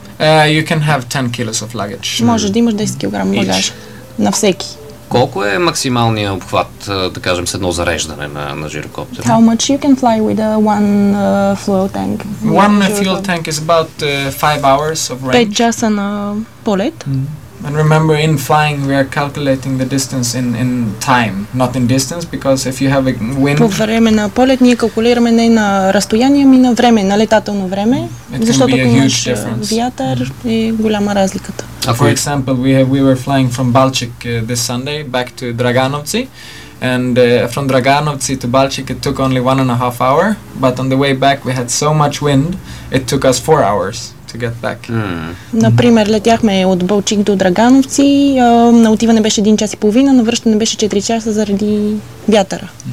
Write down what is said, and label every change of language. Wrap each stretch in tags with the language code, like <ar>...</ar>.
<en>You can have 10 kilos of luggage.</en> <bg>Можеш да имаш 10 кг багаж на всеки. Колко е максималният обхват, да кажем, с едно зареждане на жирокоптера?</bg> <en>How much you can fly with one fuel tank? One fuel tank is about 5 hours of range.</en> <bg>5 часа на полет.</bg> <en>And remember, in flying, we are calculating the distance in time, not in distance, because if you have a wind...</en> <bg>По време на полет ние калкулираме не на разстояние, ами на време, на летателно време, защото ако имаш вятър, е голяма разликата.</bg> <en>For example, we were flying from Balchik this Sunday back to Draganovci, and from Draganovci to Balchik it took only 1.5 hours, but on the way back we had so much wind, it took us 4 hours. To get back.</en> <bg>Например, летяхме от Балчик до Драгановци, на отиване беше 1 час и половина, на връщане беше 4 часа заради вятъра.</bg>